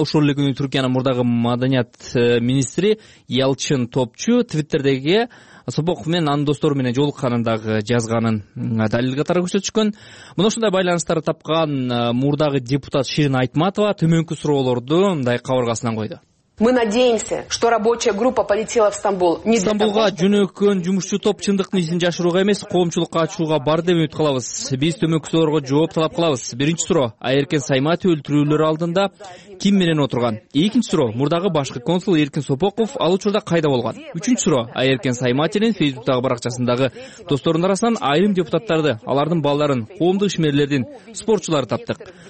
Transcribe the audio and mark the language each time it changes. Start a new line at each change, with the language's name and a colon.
Kyrgyz: Ошол эле күнү Түркиянын мурдагы маданият министри Ялчын Топчу Twitter-деги Сопоков менен анын достору менен жолукканын дагы жазганын далил катары көрсөтүшкөн. Мына ушундай байланыштарды тапкан мурдагы депутат Ширин Айтматова төмөнкү суроолорду мындай кабыргасынан койду.
Russian: Мы надеемся, что рабочая группа полетела в Стамбул.
Kyrgyz: Стамбулга жөнөткөн жумушчу топ чындыктын изин жашырууга эмес, коомчулукка ачууга бар деп үмүт кылабыз. Биз төмөнкү суроолорго жооп талап кылабыз. Биринчи суроо: Айеркен Саймаити өлтүрүүлөр алдында ким менен отурган? Экинчи суроо: мурдагы башкы консул Эркин Сопоков ал учурда кайда болгон? Үчүнчү суроо: Айеркен Саймаитинин Facebook-тагы баракчасындагы досторунун арасынан айрым депутаттарды, алардын балдарын, коомдук ишмерлердин, спортчуларды таптык.